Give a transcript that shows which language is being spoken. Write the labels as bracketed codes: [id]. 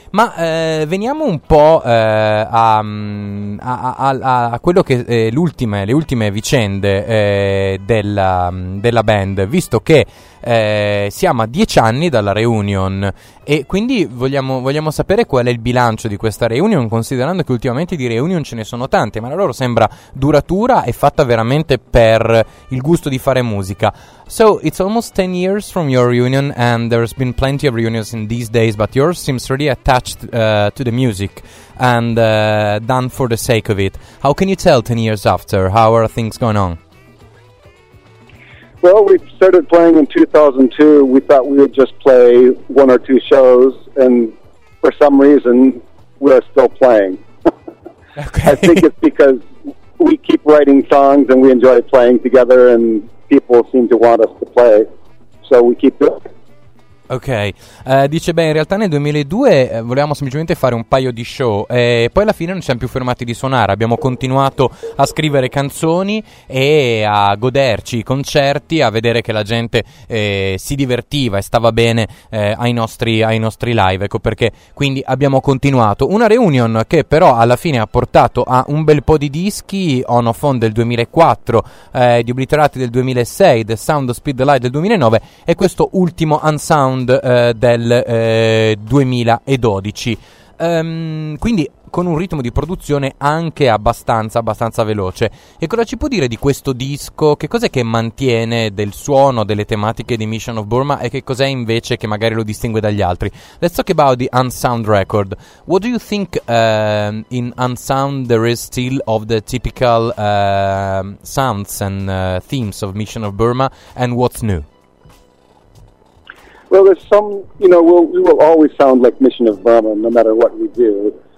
[it] Ma veniamo un po' a quello che le ultime vicende della band, visto che siamo a 10 anni dalla reunion e quindi vogliamo sapere qual è il bilancio di questa reunion, considerando che ultimamente di reunion ce ne sono tante, ma la loro sembra duratura e fatta veramente per il gusto di fare musica. [en] So it's almost 10 years from your reunion, and there's been plenty of reunions in these days, but yours seems really attached to the music and done for the sake of it. How can you tell 10 years after? How are things going on? Well, we started playing in 2002. We thought we would just play one or two shows, and for some reason, we're still playing. Okay. I think it's because we keep writing songs and we enjoy playing together, and people seem to want us to play, so we keep doing it. [it] Ok, dice beh, in realtà nel 2002 volevamo semplicemente fare un paio di show e poi alla fine non ci siamo più fermati di suonare, abbiamo continuato a scrivere canzoni e a goderci i concerti, a vedere che la gente si divertiva e stava bene ai nostri live, ecco perché quindi abbiamo continuato. Una reunion che però alla fine ha portato a un bel po' di dischi, On Off On del 2004, The Obliterati del 2006, The Sound of Speed Light del 2009 e questo ultimo Unsung del 2012, quindi con un ritmo di produzione anche abbastanza veloce. E cosa ci può dire di questo disco? Che cos'è che mantiene del suono, delle tematiche di Mission of Burma e che cos'è invece che magari lo distingue dagli altri? [en] Let's talk about the Unsound record. What do you think in Unsound there is still of the typical sounds and themes of Mission of Burma, and what's new? Well, there's some, you know, we will always sound like Mission of Burma, no matter what we do.